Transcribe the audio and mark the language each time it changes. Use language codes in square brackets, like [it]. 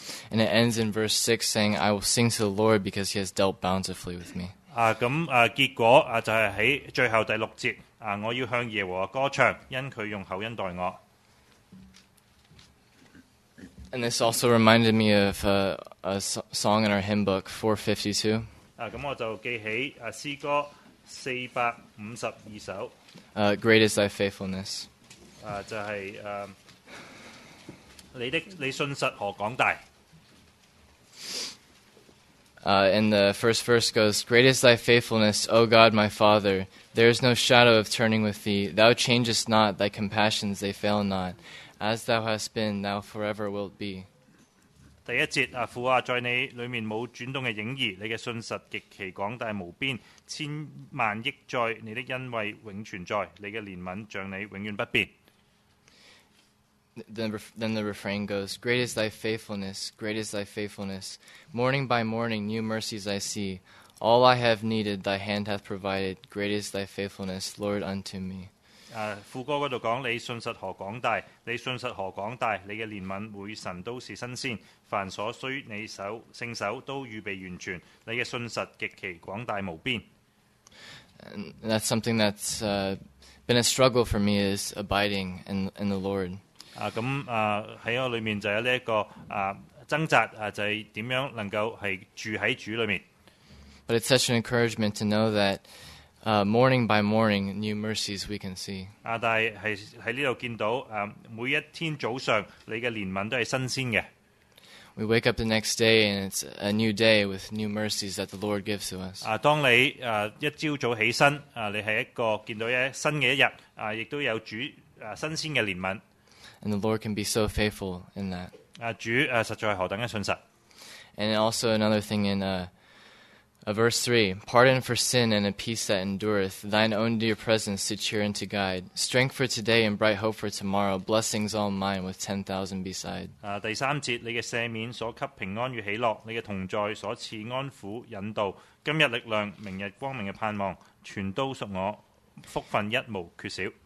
[en] And it ends in verse 6 saying, I will sing to the Lord because he has dealt bountifully with me. [yue] 咁結果就係喺最後第六節，我要向耶和華歌唱，因佢用厚恩待我。 [en] And this also reminded me of a song in our hymn book, 452. [yue] 咁我就記起詩歌452首。 [en] Great is thy faithfulness. [yue] 就係你信實何廣大。 [en] And the first verse goes, "Great is thy faithfulness, O God, my Father. There is no shadow of turning with thee. Thou changest not, thy compassions, they fail not. As thou hast been, thou forever wilt be." [yue] 第一節，父啊，在你裏面冇轉動嘅影兒，你嘅信實極其廣大無邊，千萬億載，你的恩惠永存在，你嘅憐憫像你永遠不變。 [en] Then the refrain goes, "Great is thy faithfulness, great is thy faithfulness. Morning by morning, new mercies I see. All I have needed, thy hand hath provided. Great is thy faithfulness, Lord, unto me." [yue] 副歌嗰度讲，你信实何广大，你信实何广大，你嘅怜悯每晨都是新鲜，凡所需你手圣手都预备完全，你嘅信实极其广大无边。 [en] And that's something that's been a struggle for me is abiding in the Lord. [yue] 咁喺我里面就有呢一个挣扎就系点样能够系住喺主里面。 [en] But it's such an encouragement to know that morning by morning, new mercies we can see. [yue] 但系喺呢度见到每一天早上你嘅怜悯都系新鲜嘅。 [en] We wake up the next day and it's a new day with new mercies that the Lord gives to us. [yue] 当你一朝早起身你系一个见到一新嘅一日亦都有主新鲜嘅怜悯。 [en] And the Lord can be so faithful in that. [yue] 主实在何等嘅信实。 [en] And also another thing in verse 3, "Pardon for sin and a peace that endureth, thine own dear presence to cheer and to guide, strength for today and bright hope for tomorrow, blessings all mine with 10,000 beside." [yue] 第三节，你嘅赦免所给平安与喜乐，你嘅同在所赐安抚引导，今日力量，明日光明嘅盼望，全都属我，福分一无缺少。